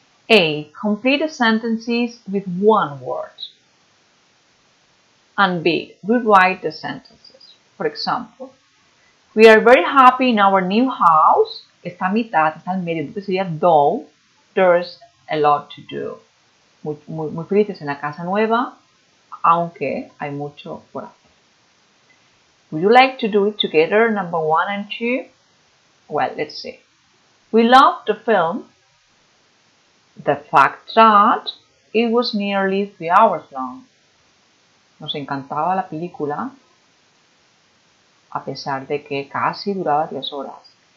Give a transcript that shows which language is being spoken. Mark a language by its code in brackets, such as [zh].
[en] A. Complete the sentences with one word. And B. Rewrite the sentences. For example, we are very happy in our new house. [es] Esta mitad, esta al medio, entonces sería [en] though there's a lot to do. [es] Muy felices en la casa nueva, aunque hay mucho por hacer. [en] Would you like to do it together, number one and two? Well, let's see. We loved the film. The fact that it was nearly 3 hours long. [es] Nos encantaba la película, a pesar de que casi duraba 10 horas.